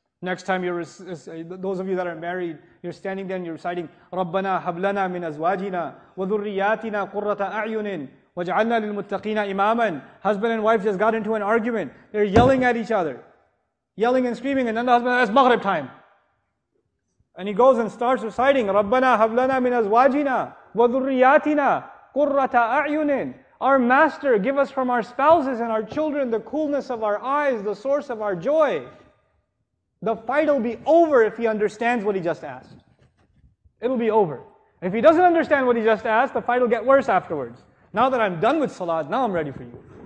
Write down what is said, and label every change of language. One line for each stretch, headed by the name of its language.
English: Next time you're, those of you that are married, you're standing there and you're reciting,
Arabic: رَبَّنَا هَبْلَنَا مِنْ أَزْوَاجِنَا وَذُرِّيَاتِنَا قُرَّةَ أَعْيُنٍ وَجْعَلْنَا لِلْمُتَّقِينَ إِمَامًا.
English: Husband and wife just got into an argument. They're yelling at each other. Yelling and screaming, and then the husband says, it's Maghrib time. And he goes and starts reciting,
Arabic: رَبَّنَا هَبْلَنَا مِنْ أَزْوَاجِنَا وَذُرِّيَاتِنَا قُرَّةَ أَعْيُنٍ.
English: Our master, give us from our spouses and our children the coolness of our eyes, the source of our joy. The fight will be over if he understands what he just asked. It'll be over. If he doesn't understand what he just asked, the fight will get worse afterwards. Now that I'm done with Salat, now I'm ready for you.